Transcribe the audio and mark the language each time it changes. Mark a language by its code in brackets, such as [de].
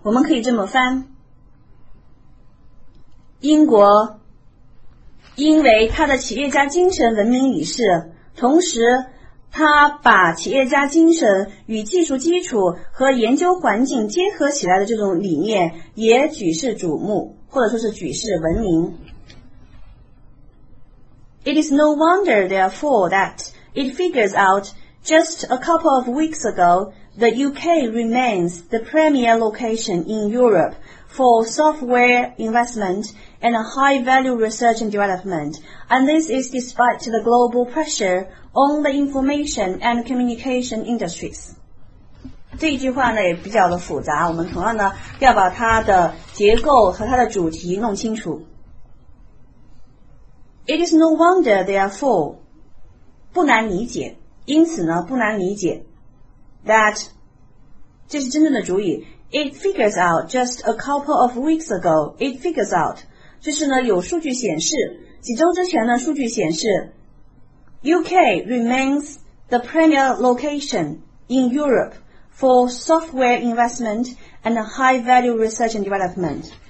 [zh] 我们可以这么翻，英国因为他的企业家精神闻名于世，同时他把企业家精神与技术基础和研究环境结合起来的这种理念也举世瞩目，或者说是举世闻名。 [en] It is no wonder therefore that it figures out just a couple of weeks ago the UK remains the premier location in Europe for software investmentand a high-value research and development. And this is despite the global pressure on the information and communication industries. [zh] 这一句话呢也比较的复杂，我们同样呢要把它的结构和它的主题弄清楚。 [en] It is no wonder, therefore, [zh] 不难理解，因此呢不难理解 [en] that, [zh] 这是真正的主语， [en] it figures out just a couple of weeks ago, it figures out, [zh] 就是呢有数据显示，几周之前呢数据显示 [en] UK remains the premier location in Europe for software investment and high value research and development.